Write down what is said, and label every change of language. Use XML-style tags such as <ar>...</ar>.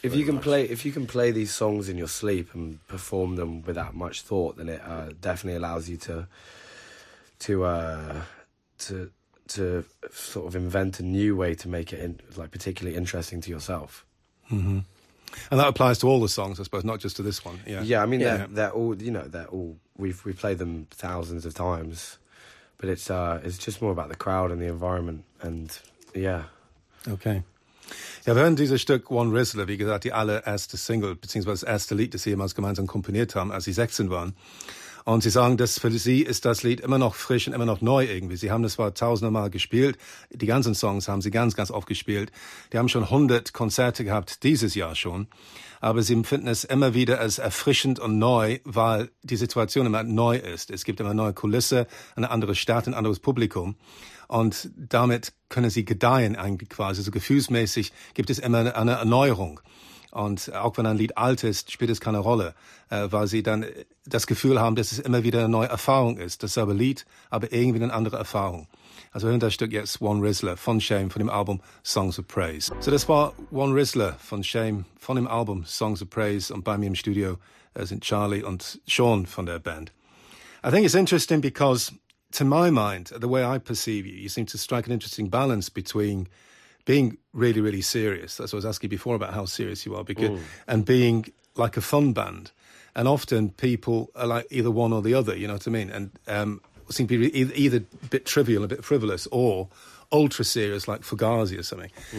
<en>If you can play, if you can play these songs in your sleep and perform them without much thought, then it definitely allows you to sort of invent a new way to make it particularly interesting to yourself. Mm-hmm. And that applies to all the songs, I suppose, not just to this one. Yeah, yeah. I mean, they're all we play them thousands of times. But it's just more about the crowd and the environment, and yeah. Okay.</en> <de>Ja, wir hören dieses Stück One Rizzler, wie gesagt, die allererste Single, beziehungsweise das erste Lied, das sie jemals gemeinsam komponiert haben, als sie 16 waren. Und sie sagen, dass für sie ist das Lied immer noch frisch und immer noch neu irgendwie. Sie haben das zwar tausende Mal gespielt, die ganzen Songs haben sie ganz, ganz oft gespielt. Die haben schon 100 Konzerte gehabt, dieses Jahr schon. Aber sie empfinden es immer wieder als erfrischend und neu, weil die Situation immer neu ist. Es gibt immer neue Kulisse, eine andere Stadt, ein anderes Publikum. Und damit können sie gedeihen eigentlich quasi. So gefühlsmäßig gibt es immer eine Erneuerung. Und auch wenn ein Lied alt ist, spielt es keine Rolle, weil sie dann das Gefühl haben, dass es immer wieder eine neue Erfahrung ist. Dasselbe Lied, aber irgendwie eine andere Erfahrung. Also wir hören das Stück jetzt, One Rizzler von Shame, von dem Album Songs of Praise. So das war One Rizzler von Shame, von dem Album Songs of Praise. Und bei mir im Studio sind Charlie und Sean von der Band.</de> <en>I think it's interesting because, to my mind, the way I perceive you, you seem to strike an interesting balance between being really, really serious. That's what I was asking before about how serious you are. Because, and being like a fun band. And often people are like either one or the other, you know what I mean? And seem to be either a bit trivial, a bit frivolous, or ultra serious, like Fugazi or something.</en>